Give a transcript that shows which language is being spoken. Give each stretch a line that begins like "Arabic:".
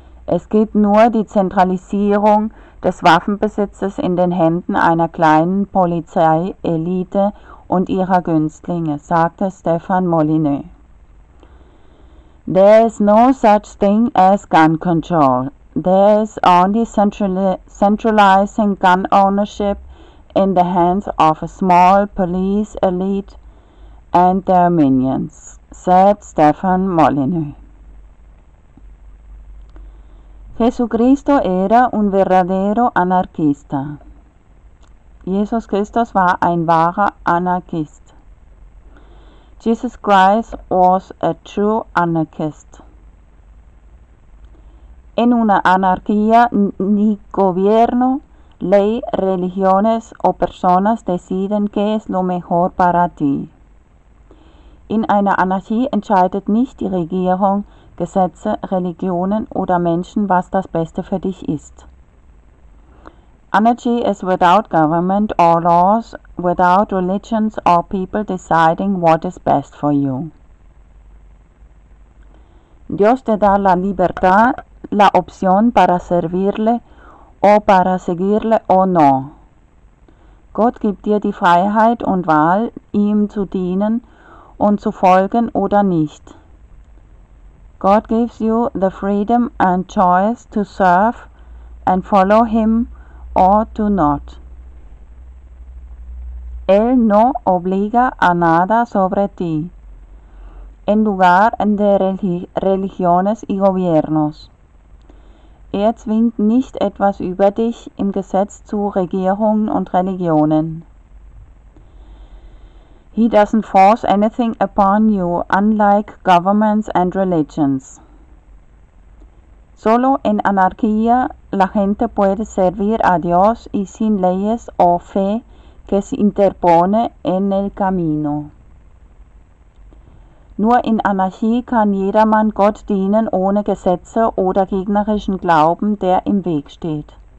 German: Es gibt nur die Zentralisierung des Waffenbesitzes in den Händen einer kleinen Polizeielite und ihrer Günstlinge, sagte Stefan Molyneux.
English: There is no such thing as gun control. There is only centralizing gun ownership in the hands of a small police elite and their minions, said Stefan Molyneux.
Spanish: Jesucristo era un verdadero anarquista.
German: Jesus Christus war ein wahrer Anarchist.
English: Jesus Christ was a true anarchist.
Spanish: En una anarquía ni gobierno, ley, religiones o personas deciden qué es lo mejor para ti.
German: In einer Anarchie entscheidet nicht die Regierung, Gesetze, Religionen oder Menschen, was das Beste für dich ist.
English: Anarchy is without government or laws, without religions or people deciding what is best for you.
Spanish: Dios te da la libertad, la opción para servirle o para seguirle o no.
German: Gott gibt dir die Freiheit und Wahl, ihm zu dienen und zu folgen oder nicht.
English: God gives you the freedom and choice to serve and follow him or to not.
Spanish: Él no obliga a nada sobre ti, en lugar de religiones y gobiernos.
German: Er zwingt nicht etwas über dich im Gesetz zu Regierungen und Religionen.
English: He doesn't force anything upon you, unlike governments and religions.
Spanish: Solo en anarquía la gente puede servir a Dios y sin leyes o fe que se interpone en el camino.
German: Nur in Anarchie kann jedermann Gott dienen ohne Gesetze oder gegnerischen Glauben, der im Weg steht.